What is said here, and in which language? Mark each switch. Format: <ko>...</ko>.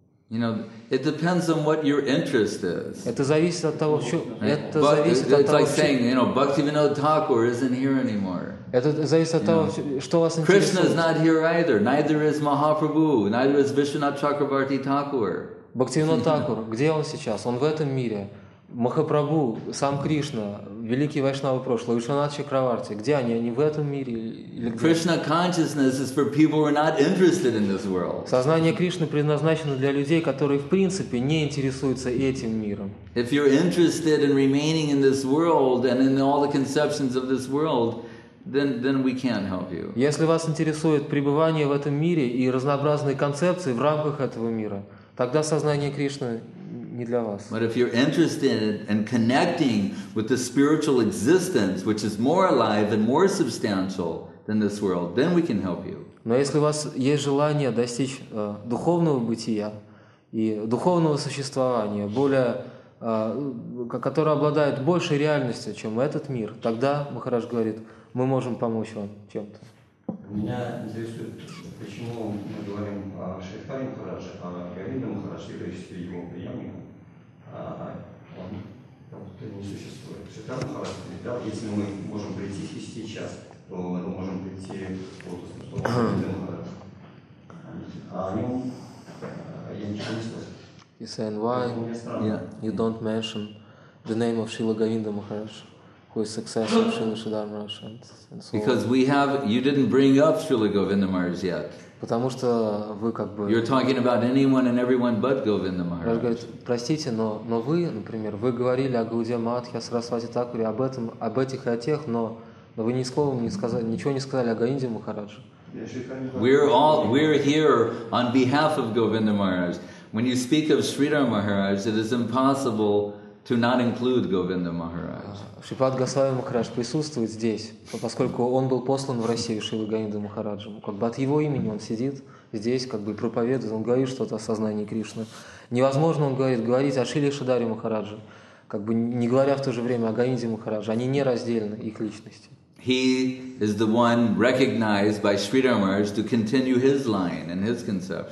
<en>You know, it depends on what your interest is.</en> <ru>Это зависит от того, что это зависит от того.</ru> <en>It's like saying, you know, Bhaktivinoda Thakur isn't here anymore.</en> <ru>Это зависит от того, что вас интересует.</ru> <en>Krishna is not here either. Neither is Mahaprabhu. Neither is Vishwanath Chakravarti Thakur.</en> <ru>Бхактивинода Такур, где он сейчас? Он в этом мире. Махапрабху, сам Кришна, великий вайшнава прошлого, Вишванатха Чакраварти, где они? Они в этом мире или где?</ru> <en>Krishna consciousness is for people who are not interested in this world.</en> <ru>Сознание Кришны предназначено для людей, которые в принципе не интересуются этим миром.</ru> <en>If you're interested in remaining in this world and in all the conceptions of this world, then we can't help you.</en> <ru>Если вас интересует пребывание в этом мире и разнообразные концепции в рамках этого мира, тогда сознание Кришны не для вас.</ru> <en>But if you're interested in connecting with the spiritual existence, which is more alive and more substantial than this world, then we can help you.</en> <ru>Но если у вас есть желание достичь духовного бытия и духовного существования, более, которое обладает большей реальностью, чем этот мир, тогда, Махарадж говорит, мы можем помочь вам чем-то. Меня интересует, почему мы говорим о Шридхаре Махарадже, а Говинда Махарадж, являющийся его преемником, он как-то не существует. Шридхар Махарадж, да, если мы можем прийти сейчас, то мы можем прийти вот с Говинда Махарадж. А о нем я ничего не слышал.</ru> <en>He's saying, why you don't mention the name of Шрила Говинда Махарадж? Who is successor of Srila Sridhara Maharaj and so on. Because we have, you didn't bring up Srila Govinda Maharaj yet.</en> <ru>Потому что вы как бы...</ru> <en>You're talking about anyone and everyone but Govinda Maharaj.</en> <ru>Говорит, простите, но вы, например, вы говорили о Гауде Матхе, о Сарасвати Такуре, об этом, об этих и о тех, но вы ни словом не сказали, ничего не сказали о Говинде Махарадже.</ru> <en>We're here on behalf of Govinda Maharaj. When you speak of Sridhara Maharaj, it is impossible to not include Govinda Maharaj.</en> <ru>Шипад Госвами Махарадж присутствует здесь, поскольку он был послан в Россию Шрилой Говиндой Махараджем. Как бы от его имени он сидит здесь, как бы проповедует, он говорит что-то о сознании Кришны. Невозможно, он говорит, говорить о Шриле Шридхаре Махарадже, как бы не говоря в то же время о Говинде Махарадже. Они не разделены, их личности.</ru> <en>He is the one recognized by Sridhara Maharaj to continue his line and his conception.</en>